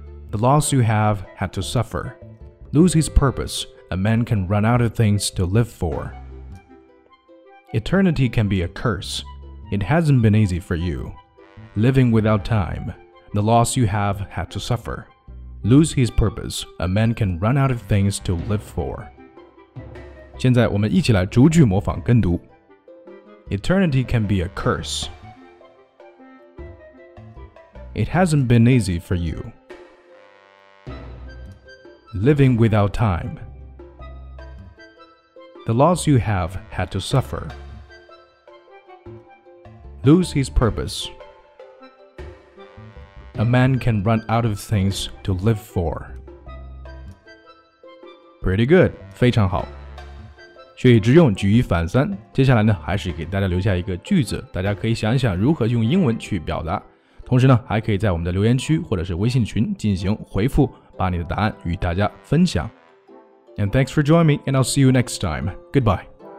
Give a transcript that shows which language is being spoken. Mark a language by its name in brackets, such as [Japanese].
[English] The loss you have had to suffer. Lose his purpose, a man can run out of things to live for. Eternity can be a curse. It hasn't been easy for you, living without time. The loss you have had to suffer. Lose his purpose, a man can run out of things to live for. [Chinese] 现在我们一起来逐句模仿跟读。 [English] Eternity can be a curse. It hasn't been easy for you. Living without time. The loss you have had to suffer. Lose his purpose. A man can run out of things to live for. Pretty good, [Chinese] 非常好。学以致用，举一反三。接下来呢，还是给大家留下一个句子，大家可以想一想如何用英文去表达。同时呢，还可以在我们的留言区或者是微信群进行回复，把你的答案与大家分享。 [English] And thanks for joining me, and I'll see you next time. Goodbye.